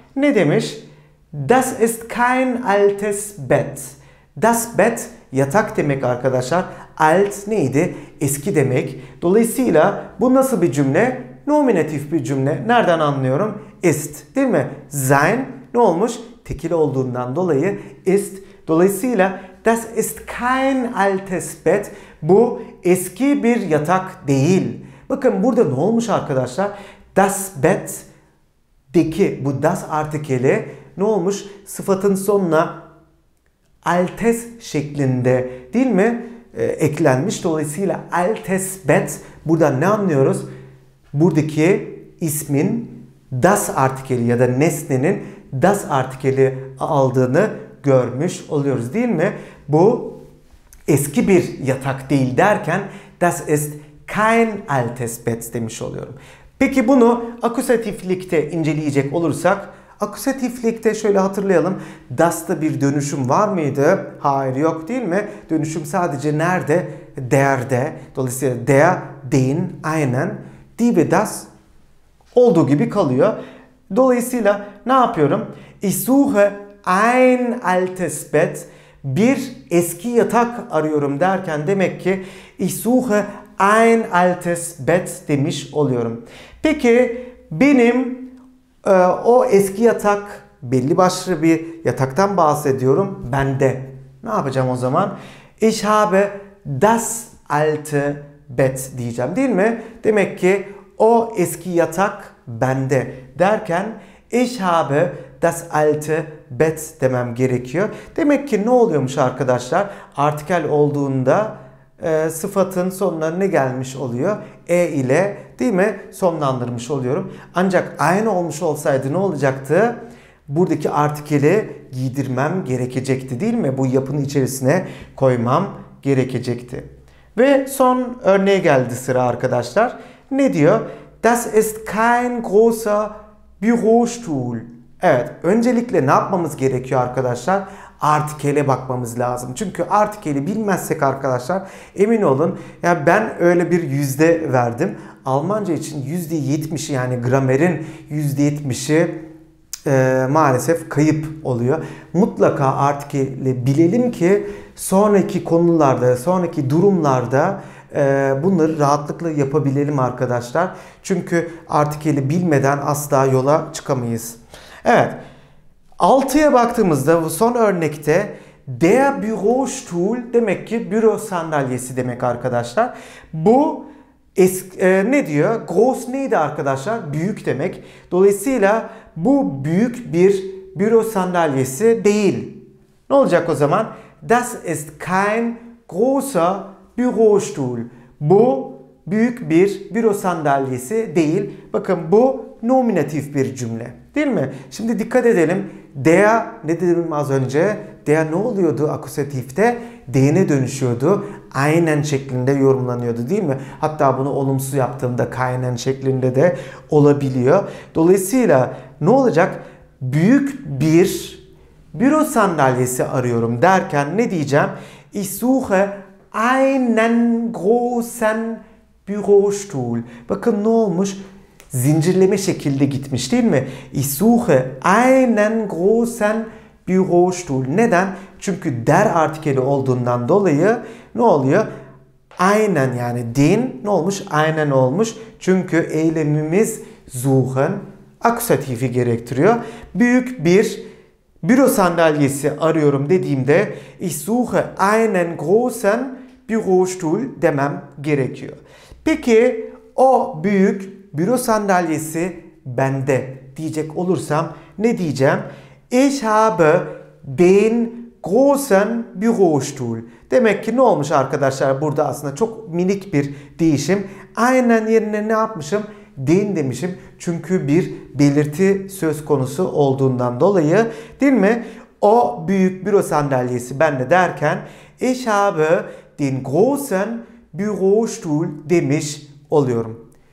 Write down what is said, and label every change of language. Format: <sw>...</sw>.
<tr>Ne demiş?</tr> <de>Das ist kein altes Bett.</de> <tr>Das Bett yatak demek arkadaşlar. Alt neydi? Eski demek. Dolayısıyla bu nasıl bir cümle? Nominatif bir cümle. Nereden anlıyorum? Ist, değil mi? Sein ne olmuş? Tekil olduğundan dolayı ist. Dolayısıyla</tr> <de>das ist kein altes Bett.</de> <tr>Bu eski bir yatak değil. Bakın burada ne olmuş arkadaşlar? Das Bett'deki bu das artikeli ne olmuş? Sıfatın sonuna altes şeklinde, değil mi? Eklenmiş. Dolayısıyla altes Bett burada ne anlıyoruz? Buradaki ismin das artikeli ya da nesnenin das artikeli aldığını görmüş oluyoruz, değil mi? Bu eski bir yatak değil derken</tr> <de>das ist kein altes Bett</de> <tr>demiş oluyorum. Peki bunu akusatiflikte inceleyecek olursak, akusatiflikte şöyle hatırlayalım. Das'ta bir dönüşüm var mıydı? Hayır, yok, değil mi? Dönüşüm sadece nerede? Der'de. Dolayısıyla</tr> <de>der, den, einen.</de> <tr>Die ve das olduğu gibi kalıyor. Dolayısıyla ne yapıyorum?</tr> <de>Ich suche ein altes Bett.</de> <tr>Bir eski yatak arıyorum derken demek ki</tr> <de>ich suche ein altes Bett</de> <tr>demiş oluyorum. Peki benim o eski yatak, belli başlı bir yataktan bahsediyorum, bende. Ne yapacağım o zaman?</tr> <de>Ich habe das alte Bett</de> <tr>diyeceğim, değil mi? Demek ki o eski yatak bende derken</tr> <de>ich habe das alte Bett</de> <tr>demem gerekiyor. Demek ki ne oluyormuş arkadaşlar? Artikel olduğunda sıfatın sonuna ne gelmiş oluyor? E ile, değil mi? Sonlandırmış oluyorum. Ancak aynı olmuş olsaydı ne olacaktı? Buradaki artikeli giydirmem gerekecekti, değil mi? Bu yapının içerisine koymam gerekecekti. Ve son örneğe geldi sıra arkadaşlar. Ne diyor?</tr> <de>Das ist kein großer Bürostuhl.</de> <tr>Evet, öncelikle ne yapmamız gerekiyor arkadaşlar? Artikele bakmamız lazım. Çünkü artikeli bilmezsek arkadaşlar, emin olun ya, ben öyle bir yüzde verdim. Almanca için %70'i, yani gramerin %70'i maalesef kayıp oluyor. Mutlaka artikeli bilelim ki sonraki konularda, sonraki durumlarda bunları rahatlıkla yapabilelim arkadaşlar. Çünkü artikeli bilmeden asla yola çıkamayız. Evet. 6'ya baktığımızda bu son örnekte der Bürostuhl demek ki büro sandalyesi demek arkadaşlar. Bu ne diyor? Groß neydi arkadaşlar? Büyük demek. Dolayısıyla bu büyük bir büro sandalyesi değil. Ne olacak o zaman?</tr> <de>Das ist kein großer Bürostuhl.</de> <tr>Bu büyük bir büro sandalyesi değil. Bakın bu nominatif bir cümle, değil mi? Şimdi dikkat edelim. Der, ne dedim az önce? Der ne oluyordu akusatifte? Den'e dönüşüyordu. Aynen şeklinde yorumlanıyordu, değil mi? Hatta bunu olumsuz yaptığımda kaynen şeklinde de olabiliyor. Dolayısıyla ne olacak? Büyük bir büro sandalyesi arıyorum derken ne diyeceğim?</tr> <de>Ich suche einen großen Bürostuhl.</de> <tr>Bakın ne olmuş? Zincirleme şekilde gitmiş, değil mi?</tr> <de>Ich suche einen großen Bürostuhl.</de> <tr>Neden? Çünkü der artikeli olduğundan dolayı ne oluyor? Einen, yani den ne olmuş? Einen olmuş. Çünkü eylemimiz suchen akusatifi gerektiriyor. Büyük bir büro sandalyesi arıyorum dediğimde</tr> <de>ich suche einen großen Bürostuhl</de> <tr>demem gerekiyor. Peki o büyük büro sandalyesi bende diyecek olursam ne diyeceğim?</tr> <de>Ich habe den großen Bürostuhl.</de> <tr>Demek ki ne olmuş arkadaşlar burada, aslında çok minik bir değişim. Aynen yerine ne yapmışım? Den demişim. Çünkü bir belirti söz konusu olduğundan dolayı, değil mi? O büyük büro sandalyesi bende derken</tr> <de>ich habe den großen Bürostuhl</de> <tr>demiş oluyorum.</tr>